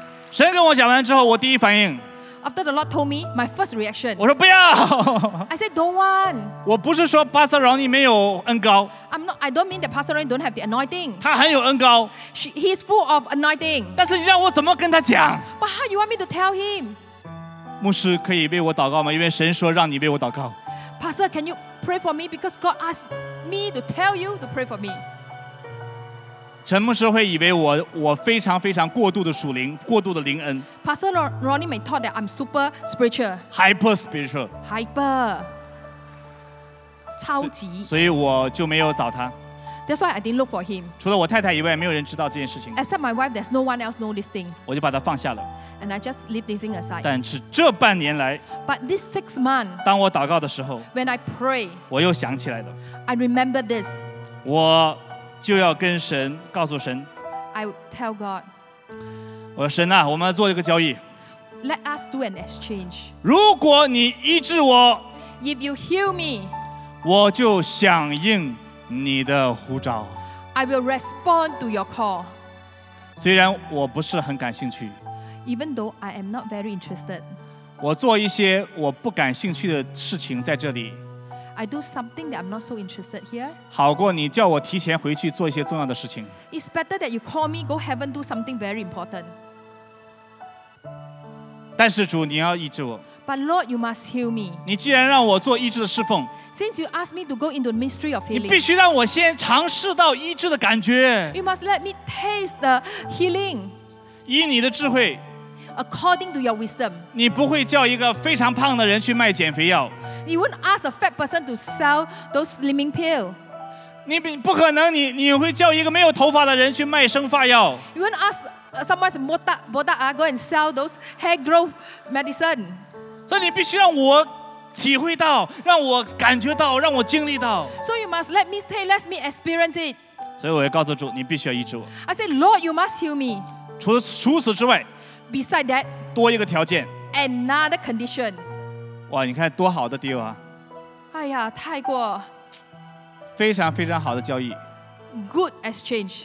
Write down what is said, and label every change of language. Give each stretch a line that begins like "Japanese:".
Chinese: 神跟我讲完之后，我第一反应。
English: After the Lord told me, my first reaction.
Chinese: 我说不要。
English: I said don't want.
Chinese: 我不是说 Pastor Ronnie 没有恩膏。
English: I don't mean that Pastor Ronnie don't have the anointing.
Chinese: 他很有恩膏。
English: He is full of anointing.
Chinese: 但是你让我怎么跟他讲
English: ？But how you want me to tell him?
Chinese: 牧师可以为我祷告吗？因为神说让你为我祷告。
English: Pastor, can you pray for me? Because God asked me to tell you to pray for me.
Chinese: 陈牧师会以为我非常非常过度的属灵，过度的灵恩。
English: Pastor Ronnie may thought that I'm super spiritual. Hyper spiritual. Hyper. 超级。
Chinese: 所以我就没有找他。
English: That's why I didn't look for him.
Chinese: 除了我太太以外，没有人知道这件事情。
English: Except my wife, there's no one else know this thing.
Chinese: 我就把它放下了。
English: And I just leave this thing aside.
Chinese: 但是这半年来
English: ，But this 6 months,
Chinese: 当我祷告的时候
English: ，When I pray,
Chinese: 我又想起来了。
English: I remember this.
Chinese: 我就要跟神告诉神。
English: I tell God.
Chinese: 我说神啊，我们做一个交易。
English: Let us do an exchange.
Chinese: 如果你医治我
English: ，If you heal me，
Chinese: 我就响应你的呼召。
English: I will respond to your call.
Chinese: 虽然我不是很感兴趣。
English: Even though I am not very interested.
Chinese: 我做一些我不感兴趣的事情在这里。
English: I do something that I'm not so interested here.
Chinese: 好过你叫我提前回去做一些重要的事情。
English: It's better that you call me, go heaven, do something very important.
Chinese: 但是主，你要医治我。
English: But Lord, you must heal me.
Chinese: 你既然让我做医治的侍奉。
English: Since you asked me to go into the ministry of healing.
Chinese: 你必须让我先尝试到医治的感觉。
English: You must let me taste the healing.
Chinese: 以你的智慧。
English: According to your wisdom.
Chinese: 你不会叫一个非常胖的人去卖减肥药。
English: You wouldn't ask a fat person to sell those slimming pill.
Chinese: 你不可能，你会叫一个没有头发的人去卖生发药。
English: You wouldn't ask someone botak go and sell those hair growth medicine.
Chinese: 所以你必须让我体会到，让我感觉到，让我经历到。
English: So you must let me stay, let me experience it.
Chinese: 所以我要告诉主，你必须要医治我。
English: I said, Lord, you must heal me.
Chinese: 除此之外
English: ，beside that，
Chinese: 多一个条件
English: ，another condition。
Chinese: 哇，你看多好的 deal 啊！哎呀，太过，非常非常好的交易
English: ，good exchange，